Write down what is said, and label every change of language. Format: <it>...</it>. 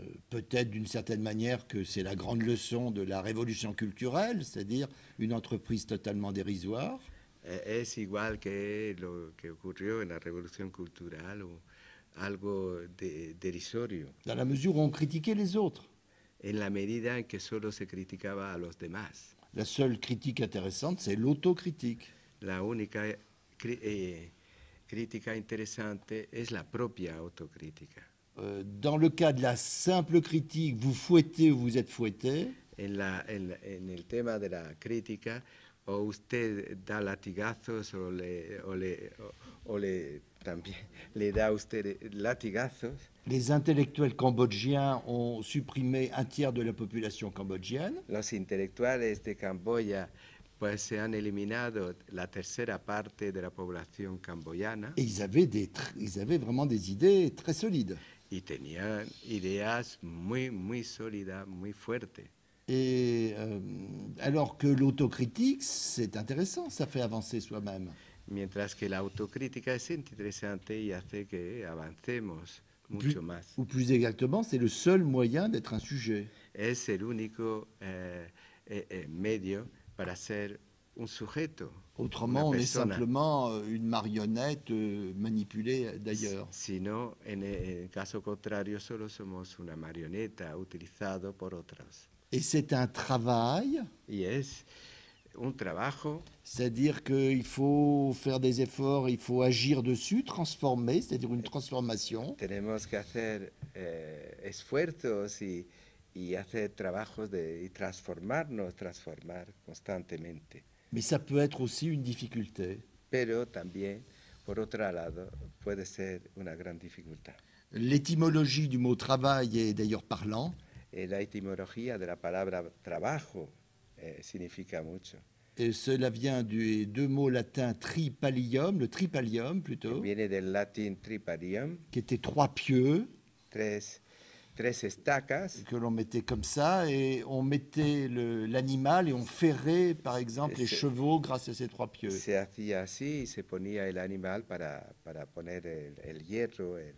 <fr>Peut-être d'une certaine manière que c'est la grande leçon de la révolution culturelle, c'est-à-dire une entreprise totalement dérisoire.</fr> <es>Es igual que lo que ocurrió en la revolución cultural o algo derisorio.</es> <fr>Dans la mesure où on critiquait les autres.</fr> <es>en la medida en que solo se criticaba a los demás.</es> <fr>La seule critique intéressante, c'est l'autocritique.</fr> <es>La única crítica interesante es la propia autocrítica.</es> <fr>Dans le cas de la simple critique, vous fouettez ou vous êtes fouetté.</fr> <es>En el tema de la crítica, o usted da latigazos le da usted latigazos.</es> <fr>Les intellectuels cambodgiens ont supprimé un tiers de la population cambodgienne.</fr> <es>Los intelectuales de Camboya pues se han eliminado la tercera parte de la población camboyana.</es> <fr>Et ils avaient vraiment des idées très solides.</fr> <es>Y tenían ideas muy muy sólidas, muy fuertes.</es> <fr>Et alors que l'autocritique, c'est intéressant, ça fait avancer soi-même.</fr> <es>Mientras que la autocrítica es interesante y hace que avancemos mucho más.</es> <fr>Ou plus exactement, c'est le seul moyen d'être un sujet.</fr> <es>Es el único medio para ser un sujeto.</es> <fr>Autrement, on est simplement une marionnette manipulée d'ailleurs.</fr> <es>Sino, en el caso contrario, solo somos una marioneta utilizada por otros.</es> <fr>Et c'est un travail.</fr> <es>Yes, un trabajo.</es> <fr>C'est-à-dire qu'il faut faire des efforts, il faut agir dessus, transformer, c'est-à-dire une transformation.</fr> <es>Tenemos que hacer esfuerzos y hacer trabajos de y transformarnos, transformar constantemente.</es> <fr>Mais ça peut être aussi une difficulté.</fr> <es>Pero también, por otro lado, puede ser una gran dificultad.</es> <fr>L'étymologie du mot travail est d'ailleurs parlant.</fr> <es>Et la etimología de la palabra trabajo significa mucho.</es> <fr>Et cela vient du deux mots latins tripalium, le tripalium plutôt.</fr> <es>Viene del latín tripalium.</es> <fr>Qui était trois pieux.</fr> <es>Tres estacas.</es> <fr>Que l'on mettait comme ça et on mettait l'animal et on ferrait par exemple les chevaux grâce à ces trois pieux.</fr> <es>Se hacía así y se ponía el animal para poner el hierro.</es>